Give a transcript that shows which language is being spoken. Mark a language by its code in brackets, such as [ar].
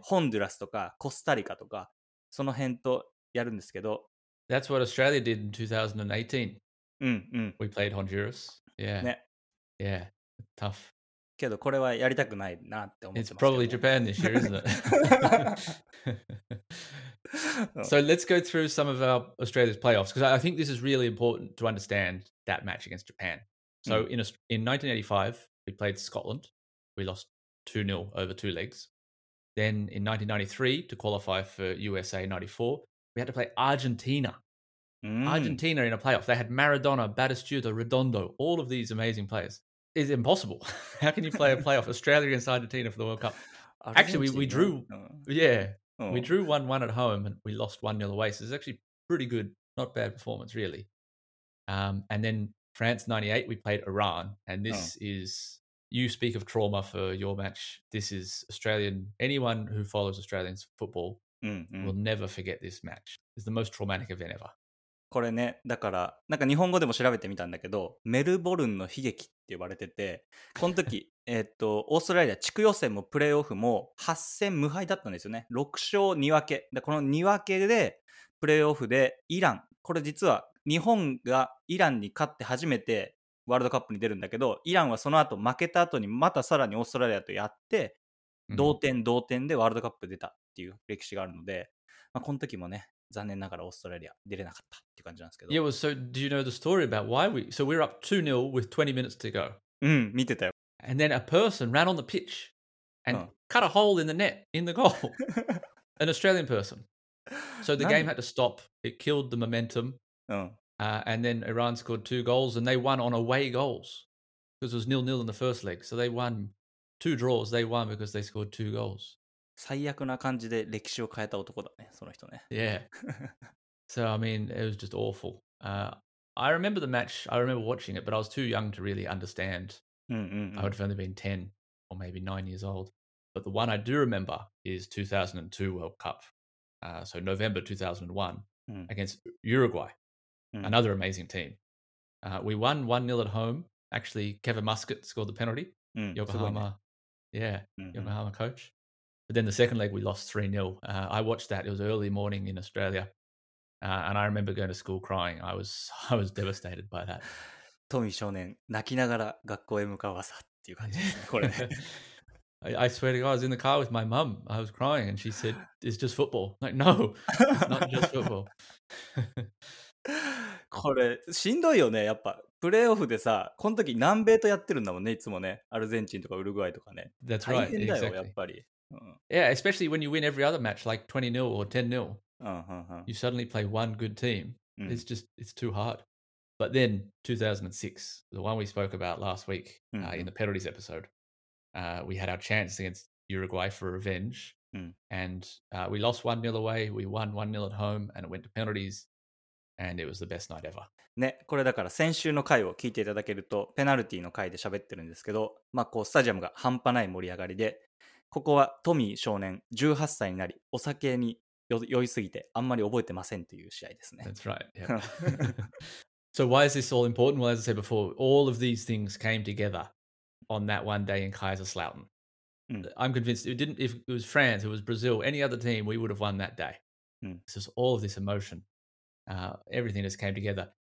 [ja] ホンデュラスとかコスタリカとか、その辺とやるんですけど。 [en] That's what Australia did in 2018. [ja] うんうん。 [en] We played Honduras. Yeah. [ja] ね。 [en] Yeah. Tough. [ja] けどこれはやりたくないなって思ってますけど。 [en] It's probably Japan this year, isn't it? So let's go through some of our Australia's playoffs, because I think this is really important to understand that match against Japan. So in 1985, we played Scotland. We lost 2-0 over two legs. Then in 1993, to qualify for USA 94, we had to play Argentina. Argentina in a playoff. They had Maradona, Batistuta, Redondo, all of these amazing players. Is impossible. How can you play a playoff Australia against Argentina for the World Cup? Actually, we drew 1-1 at home and we lost 1-0 away. So it's actually pretty good, not bad performance, really. And then France 98, we played Iran. And this is, you speak of trauma for your match. This is Australian, anyone who follows Australian football will never forget this match. It's the most traumatic event ever. [ja] これね、だからなんか日本語でも調べてみたんだけど、メルボルンの悲劇って呼ばれてて、この時オーストラリア地区予選もプレーオフも8戦無敗だったんですよね。 6勝2分けで、この2分けでプレーオフでイラン、これ実は日本がイランに勝って初めてワールドカップに出るんだけど、イランはその後負けた後にまたさらにオーストラリアとやって同点同点でワールドカップ出たっていう歴史があるので、まあ、この時もね残念ながらオーストラリア出れなかったっていう感じなんですけど。 [en] Yeah, well, so do you know the story about why we... So we're up 2-0 with 20 minutes to go. [ja] うん、見てたよ。 [en] And then a person ran on the pitch and cut a hole in the net, in the goal. An Australian person. So the game had to stop. It killed the momentum. And then Iran scored two goals and they won on away goals. Because it was 0-0 in the first leg. So they won two draws. They won because they scored two goals. [ja] 最悪な感じで歴史を変えた男だね、その人ね。 [en] Yeah. So, I mean, it was just awful. I remember the match, I remember watching it, but I was too young to really understand. I would have only been 10 or maybe 9 years old. But the one I do remember is 2002 World Cup. So November 2001 against Uruguay, another amazing team. We won 1-0 at home. Actually, Kevin Muscat scored the penalty. Yokohama coach. But then the second leg, we lost 3-0. I watched that. It was early morning in Australia. And I remember going to school crying. I was devastated by that. [ja] Tommy 少年、泣きながら学校へ向かう朝っていう感じですね、これね。 [en] I swear to God, I was in the car with my mum. I was crying and she said, it's just football. I'm like, no, not just football. [ja] これ、しんどいよね、やっぱ。プレーオフでさ、この時南米とやってるんだもんね、いつもね。アルゼンチンとかウルグアイとかね。 [en] That's right, [ja] 大変だよ、 [en] exactly. [ja] やっぱり。 [en] Yeah, especially when you win every other match, like 20-0 or 10-0. You suddenly play one good team. It's just, it's too hard. But then 2006, the one we spoke about last week in the penalties episode, we had our chance against Uruguay for revenge. And we lost 1-0 away, we won 1-0 at home, and it went to penalties. And it was the best night ever. [ja] ね、これだから先週の回を聞いていただけると、ペナルティの回で喋ってるんですけど、まあこうスタジアムが半端ない盛り上がりで、ここはトミー少年18歳になりお酒に酔いすぎてあんまり覚えてませんという試合ですね。 [en] That's right. Yeah. So why is this all important? Well, as I said before, all of these things came together on that one day in Kaiserslautern. I'm convinced if it was France, if it was Brazil, any other team, we would have won that day. It's just all of this emotion. Everything just came together.